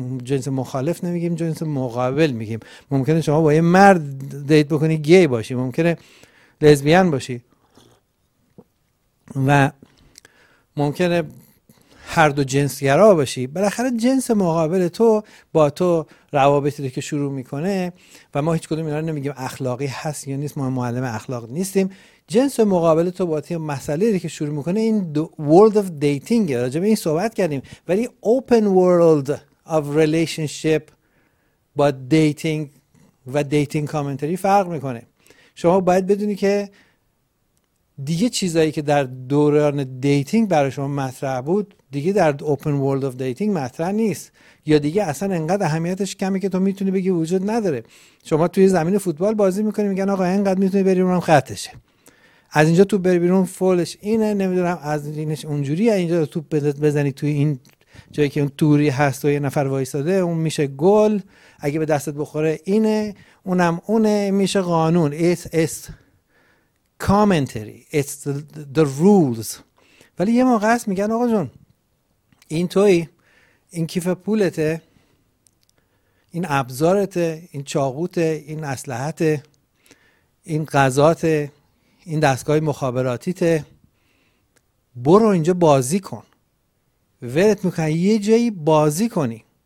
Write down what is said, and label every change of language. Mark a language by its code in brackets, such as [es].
[fa] جنس مخالف نمیگیم، جنس مقابل میگیم. ممکنه شما با یه مرد دیت بکنی گی باشی، ممکنه لزبیان باشی و ممکنه هر دو جنسگرا باشی. بالاخره جنس مقابل تو با تو روابطی رو که شروع میکنه، و ما هیچ کدوم اینا رو نمیگیم اخلاقی هست یا نیست، ما معلم اخلاق نیستیم، جنس مقابل تو با تو مسئله رو که شروع میکنه این [en] world of dating، [fa] راجع به این صحبت کردیم. ولی [en] open world of relationship [fa] با dating و [en] dating commentary [fa] فرق میکنه. شما باید بدونی که دیگه چیزایی که در دوران dating برای شما مطرح بود دیگه در [en] open world of dating [fa] مطرح نیست، یا دیگه اصلا انقدر اهمیتش کمی که تو میتونی بگی وجود نداره. شما توی زمین فوتبال بازی میکنی، میگن آقا انقدر میتونی بری اونم خطشه، از اینجا توپ بری بیرون فولش اینه، نمیدونم از اینش اونجوری، اینجا توپ بزنی توی این جایی که اون توری هست و یه نفر وایستاده اون میشه گل، اگه به دستت بخوره اینه، اونم اونه، میشه قانون. [en] It's commentary, it's the rules. [fa] ولی یه موقع هست میگن آقا جون این توی، این کیف پولته، این ابزارته، این چاقوته، این اسلحته، این غذاته، این دستگاه مخابراتیته، برو اینجا بازی کن، ولت میکنن یه جایی بازی کنی.